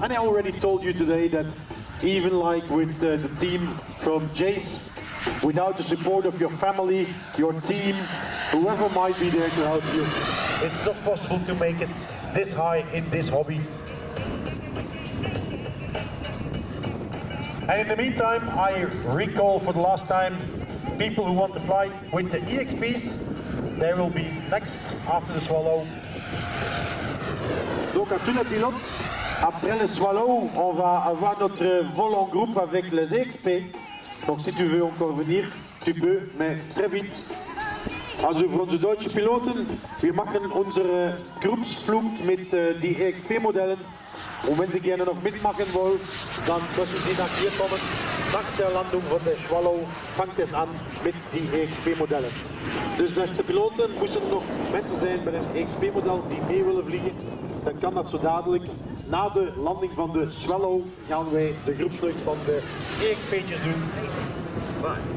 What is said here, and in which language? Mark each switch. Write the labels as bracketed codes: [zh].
[en] And I already told you today that even like with the team from Jace, without the support of your family, your team, whoever might be there to help you, it's not possible to make it this high in this hobby. And in the meantime, I recall for the last time, people who want to fly with the EXPs, they will be next after the Swallow. [fr] Donc, à tous les pilotes, après le Swallow, on va avoir notre vol en groupe avec les EXP. Donc, si tu veux encore venir, tu peux, mais très vite. [de] Also für unsere deutschen Piloten, wir machen unsere Gruppsflug mit den EXP-Modellen. Und wenn sie gerne noch mitmachen wollen, dann müssen sie nach hier kommen. Nach der Landung von der Swallow fängt es an mit den EXP-Modellen. [nl] Dus beste piloten, moesten er nog mensen zijn met een EXP-model die mee willen vliegen, dan kan dat zo dadelijk. Na de landing van de Swallow gaan wij de groepsvlucht van de EXP'tjes doen.